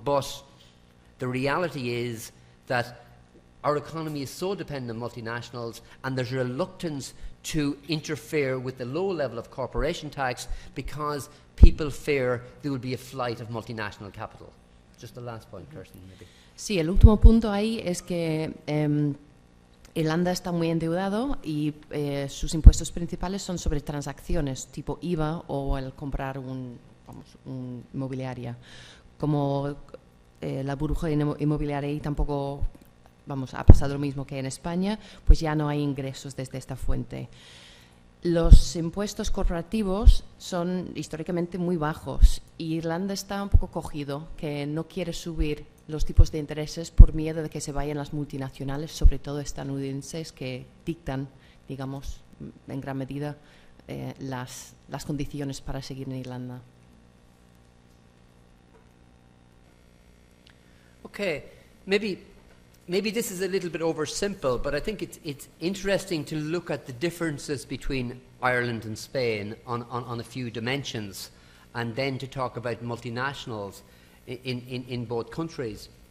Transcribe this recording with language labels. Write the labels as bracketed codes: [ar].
[en] But the reality is that our economy is so dependent on multinationals, and there's reluctance to interfere with the low level of corporation tax because people fear there will be a flight of multinational capital. Just the last point, Kerstin, maybe. [es] Sí, el último punto ahí es que Irlanda está muy endeudado y sus impuestos principales son sobre transacciones, tipo IVA o el comprar un inmobiliaria. Como la burbuja inmobiliaria ahí tampoco, ha pasado lo mismo que en España, pues ya no hay ingresos desde esta fuente. Los impuestos corporativos son históricamente muy bajos y Irlanda está un poco cogido, que no quiere subir los tipos de intereses por miedo de que se vayan las multinacionales, sobre todo estadounidenses, que dictan, digamos, en gran medida las condiciones para seguir en Irlanda. [en] Okay, maybe this is a little bit oversimple, but I think it's interesting to look at the differences between Ireland and Spain on a few dimensions, and then to talk about multinationals in both countries.